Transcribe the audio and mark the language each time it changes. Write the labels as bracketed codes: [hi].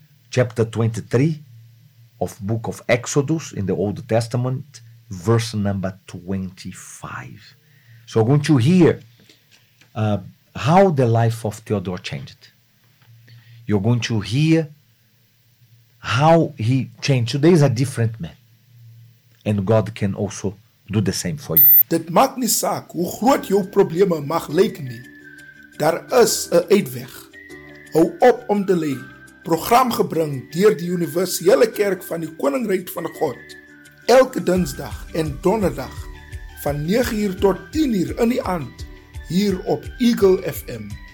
[en] Chapter 23 of book of Exodus in the Old Testament, verse number 25. So I want you to hear how the life of Theodore changed. You're going to hear how he changed. Today is a different man. And God can also do the same for you. [af] Dit maak nie saak hoe groot jou probleme mag lyk nie. Daar is 'n uitweg. Hou op om te lê. Program gebring deur die Universele Kerk van die Koninkryk van God. Elke Dinsdag en Donderdag van 9:00 tot 10:00 in die aand hier op Eagle FM.